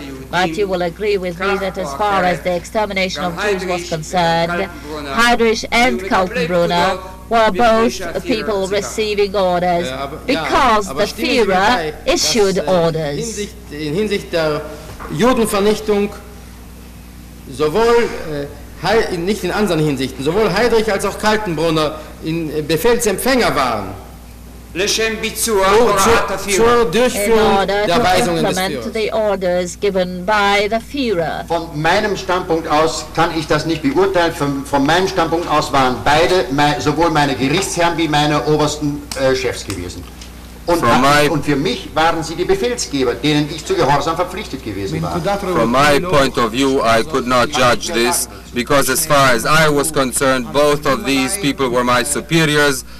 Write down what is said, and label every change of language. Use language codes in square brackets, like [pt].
[en] But you will agree with me that as far as the extermination of Jews was concerned, Heydrich and Kaltenbrunner were both people receiving orders because the Führer issued orders. [de] In Hinsicht der Judenvernichtung, sowohl nicht in anderen Hinsichten, sowohl Heydrich als auch Kaltenbrunner in Befehlsempfänger waren. Zur Durchführung der Weisungen des Führers. Von meinem Standpunkt aus kann ich das nicht beurteilen. Von meinem Standpunkt aus waren beide, sowohl meine Gerichtsherren wie meine obersten Chefs gewesen. Und für mich waren sie die Befehlsgeber, denen ich zu Gehorsam verpflichtet gewesen war. [en] From my point of view, I could not judge this, because as far as I was concerned, both of these people were my superiors.